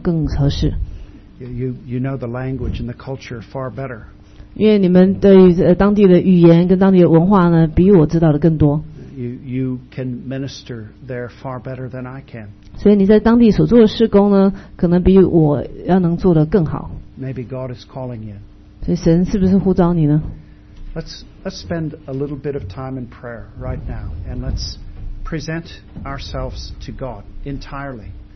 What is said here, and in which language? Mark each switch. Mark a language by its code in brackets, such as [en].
[zh] 他神呢，可能呢觉得在座当中的人回去中国做宣教呢，比送像我这样子的一个老的美国人去要更合适。 [en] You know the language and the culture far better. [zh] 因为你们对于当地的语言跟当地的文化呢，比我知道的更多。 [en] You can minister there far better than I can. [zh] 所以你在当地所做的事工呢，可能比我要能做的更好。 [en] Maybe God is calling you. [zh] 所以神是不是呼召你呢？ [en] Let's spend a little bit of time in prayer right now, and let's present ourselves to God entirely.